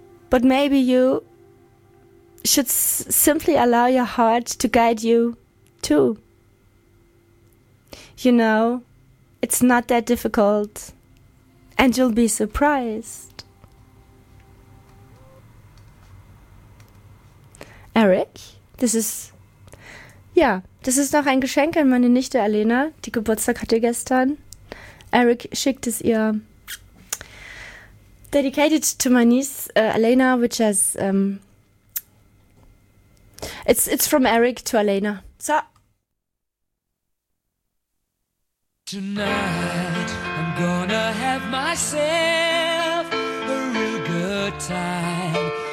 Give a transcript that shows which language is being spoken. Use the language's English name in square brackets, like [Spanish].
[English] But maybe you should simply allow your heart to guide you, too. You know, it's not that difficult, and you'll be surprised. [German] Eric, das ist noch ein Geschenk an meine Nichte Alena, die Geburtstag hatte gestern. Eric schickt es ihr. [English] Dedicated to my niece, Alena, which has... It's from Eric to Alena. So. Tonight I'm gonna have myself a real good time.